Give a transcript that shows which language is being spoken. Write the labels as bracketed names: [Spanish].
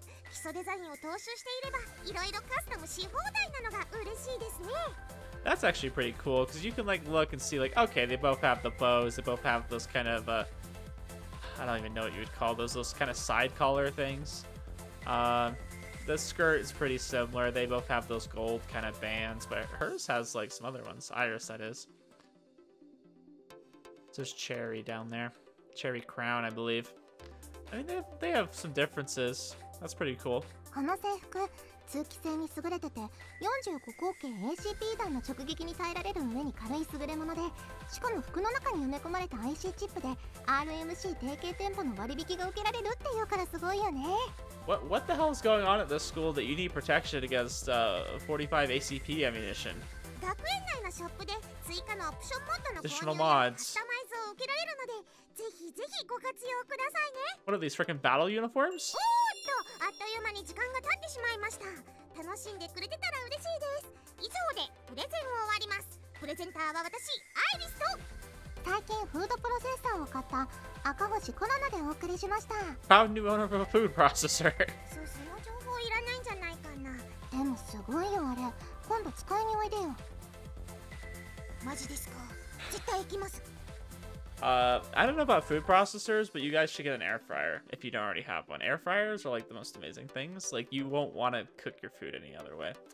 [Japanese] 基礎デザインを踏襲していれば、いろいろカスタムし放題なのが嬉しいですね。 [English] That's actually pretty cool, because you can like look and see like, okay, they both have the bows, they both have those kind of, I don't even know what you would call those kind of side collar things. The skirt is pretty similar, they both have those gold kind of bands, but hers has like some other ones, Iris that is. There's cherry down there, cherry crown, I believe. I mean, they have some differences. That's pretty cool. [Japanese] この制服、通気性に優れてて、45口径 ACP 弾の直撃に耐えられる上に軽い優れもので、しかも服の中に埋め込まれた IC チップで、RMC 定型店舗の割引が受けられるっていうからすごいよね。 [English] What the hell is going on at this school that you need protection against 45 ACP ammunition? [Japanese] 学園内のショップで追加のオプションモッドの購入やカスタマイズを受けられるので、ぜひぜひご活用くださいね。 [English] What are these freaking battle uniforms? [Japanese] おーっと、あっという間に時間が経ってしまいました。楽しんでくれてたら嬉しいです。以上でプレゼンを終わります。プレゼンターは私、アイリスと最近フードプロセッサーを買った赤星コロナでお送りしました。 [English] Found new owner of a food processor. [Japanese] そう、その情報いらないんじゃないかな。でもすごいよあれ、今度使いにおいでよ。マジですか、絶対行きます。 [English] I don't know about food processors, but you guys should get an air fryer if you don't already have one. Air fryers are like the most amazing things. Like, you won't want to cook your food any other way.